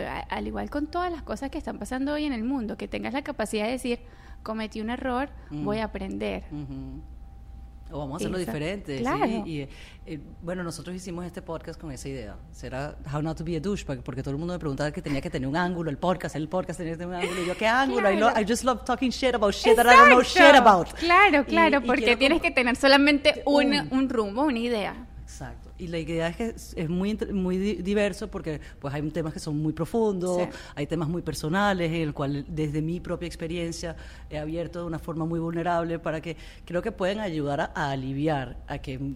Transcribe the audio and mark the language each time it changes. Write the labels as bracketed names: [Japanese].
[Spanish] Al igual con todas las cosas que están pasando hoy en el mundo, que tengas la capacidad de decir, cometí un error, voy a aprender. O vamos a hacerlo diferente. Claro. ¿Sí? Bueno, nosotros hicimos este podcast con esa idea. Será How Not to Be a Douchebag, porque todo el mundo me preguntaba que tenía que tener un ángulo, el podcast tenía que tener un ángulo. Y yo, ¿qué ángulo? [English] I just love talking shit about shit. [Spanish] Exacto. [English] That I don't know shit about. [Spanish] Claro, porque tienes que tener solamente un rumbo, una idea. Exacto. Y la idea es que es muy, muy diverso, porque pues hay temas que son muy profundos, hay temas muy personales, en el cual desde mi propia experiencia he abierto de una forma muy vulnerable, para que creo que pueden ayudar a aliviar a que